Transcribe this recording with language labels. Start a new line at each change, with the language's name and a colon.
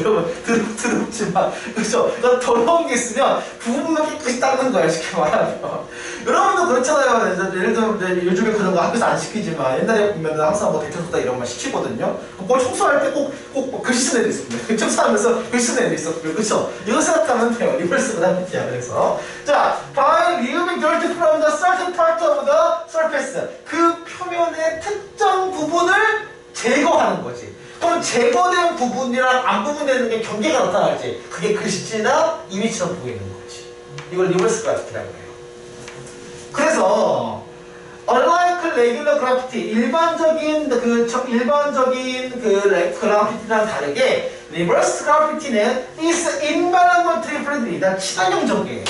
Korean: 여러분 드럽지만 그렇죠. 그러니까 더러운 게 있으면 부분만 깨끗이 닦는 거야. 쉽게 말하면. 여러분도 그렇잖아요. 예를 들면 요즘에 그런 거 학교에서 안 시키지만 옛날에 보면 항상 뭐 대청소 다 이런 말 시키거든요. 뭘 청소할 때 꼭 뭐 글씨 쓰는 애도 있습니다. 청소하면서 글씨 쓰는 애도 있었고요. 그렇죠. 이거 생각하면 돼요. 리버스 그래피티야. 그래서 자,
English: by removing dirt from the certain part of the surface.
Korean: 그 표면의 특정 부분을 제거하는 거지. 그럼 제거된 부분이랑 안 부분되는 게 경계가 나타나지. 그게 글씨나 이미지처럼 보이는 거지. 이걸 리버스 그래피티라고 해요. 그래서
English: unlike regular graffiti,
Korean: 일반적인 그 그래피티랑 다르게 reverse graffiti는
English: is environmentally friendly,
Korean: 다 친환경적이에요.